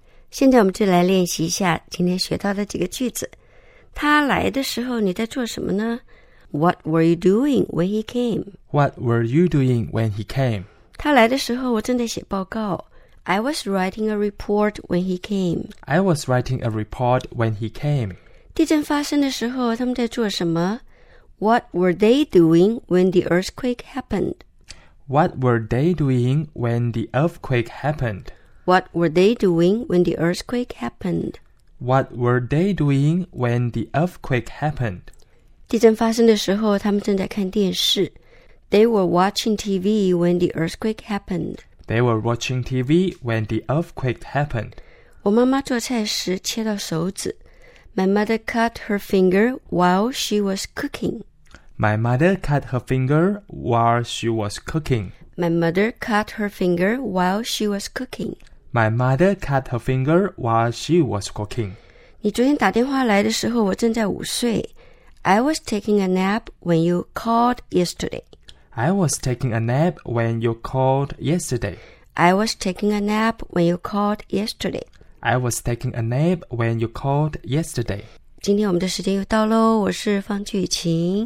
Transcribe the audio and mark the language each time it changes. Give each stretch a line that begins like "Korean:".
Chinese: 现在我们就来练习一下今天学到的几个句子。他来的时候你在做什么呢？
English: What were you doing when he came? What were you doing when he came?
Chinese: 他来的时候我正在写报告。
English: I was writing a report when he came. I was writing a report when he came.
Chinese: 地震发生的时候他们在做什么？
English: What were they doing when the earthquake happened? What were they doing when the earthquake happened? What were they doing when the earthquake happened? What were they doing when the earthquake happened?
Chinese: 地震发生的时候，他们正在看电视。
English: They were watching TV when the earthquake happened. They were watching TV when the earthquake happened.
Chinese: 我妈妈做菜时切到手指。
English: My mother cut her finger while she was cooking. My mother cut her finger while she was cooking. My mother cut her finger while she was cooking. My mother cut her finger while she was cooking.
Chinese: 你昨天打电话来的时候我正在午睡。
English: I was taking a nap when you called yesterday. I was taking a nap when you called yesterday. I was taking a nap when you called yesterday. I was taking a nap when you called yesterday.
Chinese: 今天我们的时间又到咯，我是方俊晴。